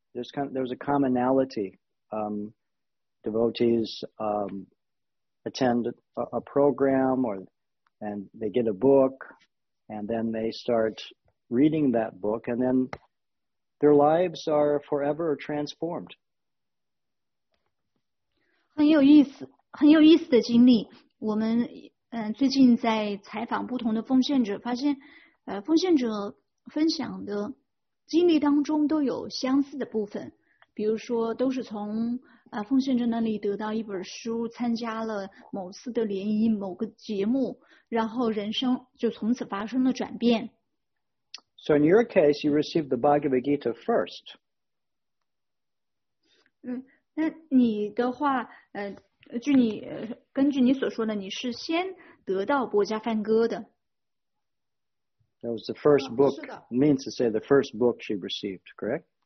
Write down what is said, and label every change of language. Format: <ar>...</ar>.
<en>There's a commonality. Devotees attend a program and they get a book and then they start reading that book and then their lives are forever transformed.</en> <zh>很有意思的经历。我们最近在采访不同的奉献者，发现奉献者分享的经历当中都有相似的部分，比比如说都是从奉献者那里得到一本书，参加了某次的联谊，某个节目，然后人生就从此发生了转变。</zh> <en>So in your case, you received the Bhagavad Gita first.</en> <zh>那你的话，据你根据你所说的，你是先得到《波迦梵歌》的。</zh> <en>That was the first book. Means to say the first book she received, correct?</en>